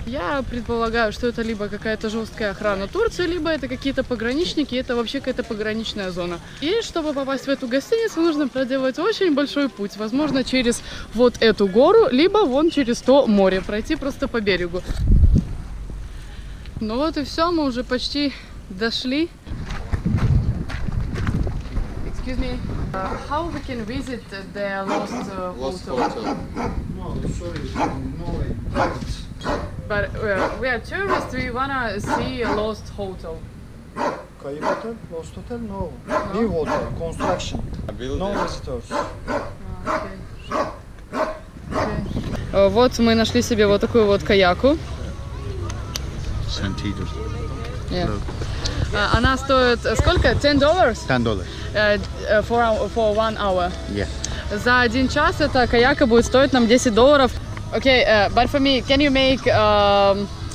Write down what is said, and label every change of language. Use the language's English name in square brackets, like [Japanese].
[Russian] Я предполагаю, что это либо какая-то жесткая охрана Турции, либо это какие-то пограничники, это вообще какая-то пограничная зона. И чтобы попасть в эту гостиницу, нужно проделать очень большой путь, возможно, через вот эту гору, либо вон через то море, пройти просто по берегу. Ну вот и все, мы уже почти дошли. [English] Excuse me. How we can visit the lost hotel? Lost hotel. No, sorry, no way. But we are tourists, we wanna see a lost hotel. [Turkish] Kayıp otel? [English] Lost hotel? No. No? New hotel, construction. No visitors. Okay. [Russian] Вот мы нашли себе вот такую вот каяку. [English] Yeah. [Russian] Она стоит сколько? $10? [English] $10. For 1 hour. Yeah. [Russian] За один час эта каяка будет стоить нам $10. [English] Okay, but for me, can you make $5?